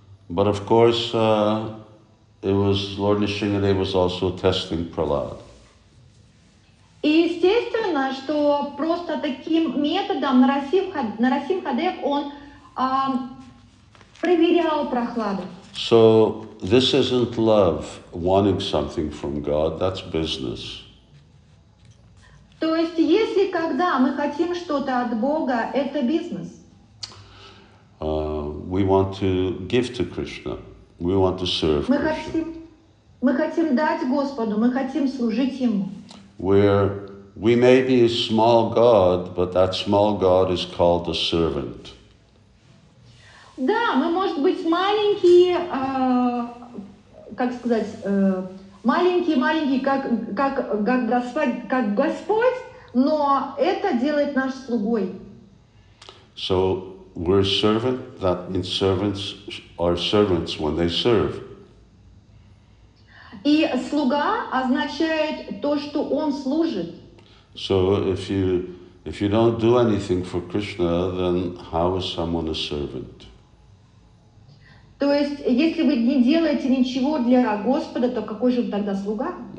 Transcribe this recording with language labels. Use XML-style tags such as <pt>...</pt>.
<en>But of course, it was Lord Nrisimhadev was also testing Prahlad.</en> <ru>И естественно, что просто таким методом Нарасимхадев, он проверял Прохладу.</ru> <en>So, this isn't love, wanting something from God, that's business.</en> <ru>То есть, если когда мы хотим что-то от Бога, это бизнес.</ru> <en>We want to give to Krishna, we want to serve Krishna.</en> <ru>Мы хотим дать Господу, мы хотим служить Ему.</ru> <en>We may be a small god, but that small god is called a servant.</en> <ru>Да, мы может быть маленькие, как сказать, маленькие, как Господь, но это делает наш слугой.</ru> <en>So we're servant. That means servants are servants when they serve.</en> <ru>И слуга означает то, что он служит.</ru> <en>So if you If you don't do anything for Krishna, then how is someone a servant?</en> <ru>То есть, если вы не делаете ничего для Господа, то какой же тогда слуга?</ru>